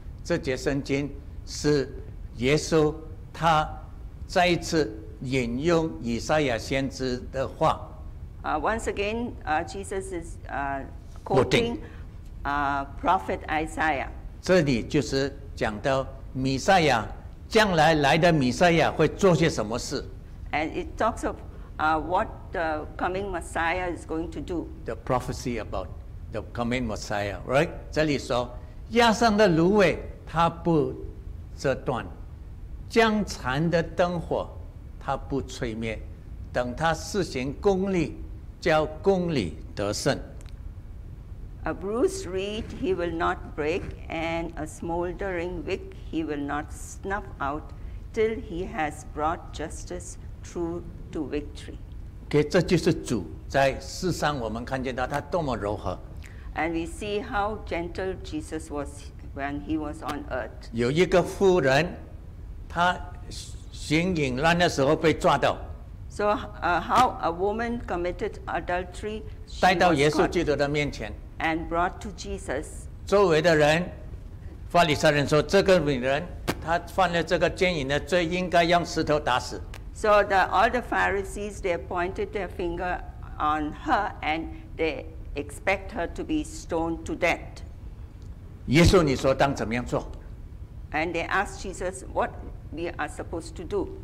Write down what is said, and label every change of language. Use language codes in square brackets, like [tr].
[zh] 这节圣经是耶稣他再一次引用以赛亚先知的话。 [en] Once again, Jesus is quoting prophet Isaiah. [zh] 这里就是讲到。弥赛亚将来来的弥赛亚会做些什么事 [en] ？And it talks of what the coming Messiah is going to do. The prophecy about the coming Messiah, right? [zh] 这里说，压伤的芦苇它不折断，将残的灯火它不吹灭，等它施行公义，叫公义得胜。 [en] A bruised reed he will not break, and a smoldering wick he will not snuff out, till he has brought justice through to victory. [zh] Okay, 这就是主在世上，我们看见到他多么柔和。 [en] And we see how gentle Jesus was when he was on earth. [zh] 有一个妇人，她行淫乱的时候被抓到。 [en] So, how a woman committed adultery? [zh] 带到耶稣基督的面前。 [en] And brought to Jesus. [zh] 周围的人，法利赛人说，这个女人她犯了这个奸淫的罪，应该用石头打死。 [en] So all the Pharisees they pointed their finger on her and they expect her to be stoned to death. [zh] 耶稣，你说当怎么样做 [en] ？And they asked Jesus what we are supposed to do.